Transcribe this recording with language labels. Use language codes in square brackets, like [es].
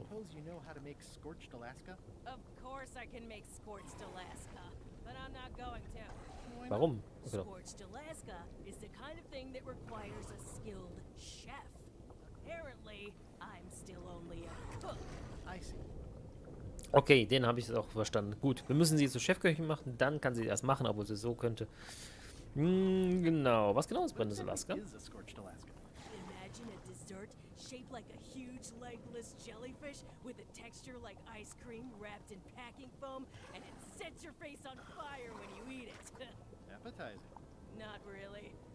[en] I suppose you know how to make scorched Alaska? Of course I can make scorched Alaska, but I'm not going to. [de] Warum? Genau. [en] Scorched Alaska is the kind of thing that requires a skilled chef. Apparently, I'm still only a cook. I see. [de] Okay, den habe ich auch verstanden. Gut, wir müssen sie zur Chefköchin machen, dann kann sie das machen, obwohl sie so könnte. Genau. Was genau ist brennendes Alaska? [en] Imagine a dessert shaped like a huge legless jellyfish with a texture like ice cream wrapped in packing foam and it sets your face on fire when you eat it. Appetizing. Not really.